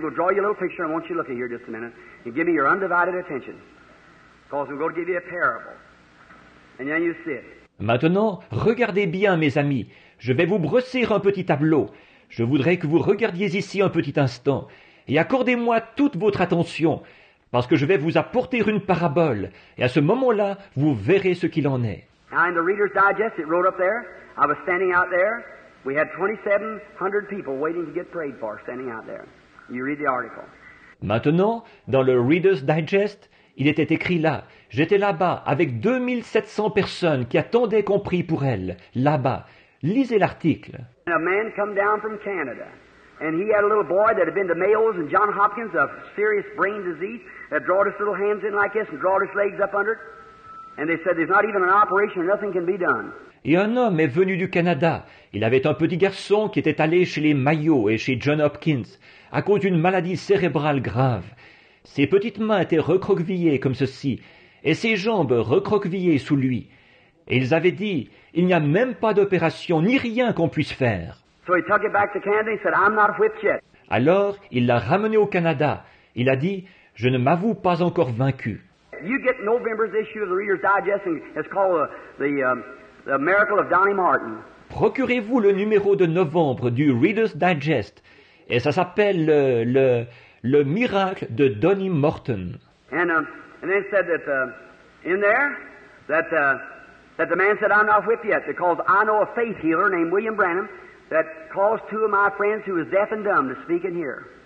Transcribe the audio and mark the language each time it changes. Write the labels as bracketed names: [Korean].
[English] We'll draw you a little picture. I want you to look at here just a minute. You give me your undivided attention, because we're going to give you a parable, and then you see it. [French] Maintenant, regardez bien, mes amis. Je vais vous brosser un petit tableau. Je voudrais que vous regardiez ici un petit instant et accordez-moi toute votre attention, parce que je vais vous apporter une parabole. Et à ce moment-là, vous verrez ce qu'il en est. [English] Now in the Reader's Digest, it wrote up there. I was standing out there. We had 2,700 people waiting to get prayed for, standing out there. You read the article. [French] Maintenant, dans le Reader's Digest, il était écrit là. J'étais là-bas avec 2,700 personnes qui attendaient qu'on prie pour elles. Là-bas, lisez l'article. [English] And a man come down from Canada, and he had a little boy that had been to Mayo's and John Hopkins, a serious brain disease, that drawed his little hands in like this and drawed his legs up under it. And they said there's not even an operation, nothing can be done. [French] Et un homme est venu du Canada. Il avait un petit garçon qui était allé chez les Mayo et chez John Hopkins à cause d'une maladie cérébrale grave. Ses petites mains étaient recroquevillées comme ceci et ses jambes recroquevillées sous lui. Et ils avaient dit, il n'y a même pas d'opération ni rien qu'on puisse faire. [English] So he took it back to Canada and said, I'm not whipped yet. [French] Alors, il l'a ramené au Canada. Il a dit, je ne m'avoue pas encore vaincu. [English] You get November's issue of the Reader's Digest and it's called The Miracle of Donnie Martin. [French] Procurez-vous le numéro de novembre du Reader's Digest et ça s'appelle le miracle de Donnie Martin. [English] And they said that in there that the man said I'm not whipped yet because I know a faith healer named William Branham that caused two of my friends who was deaf and dumb to speak and hear.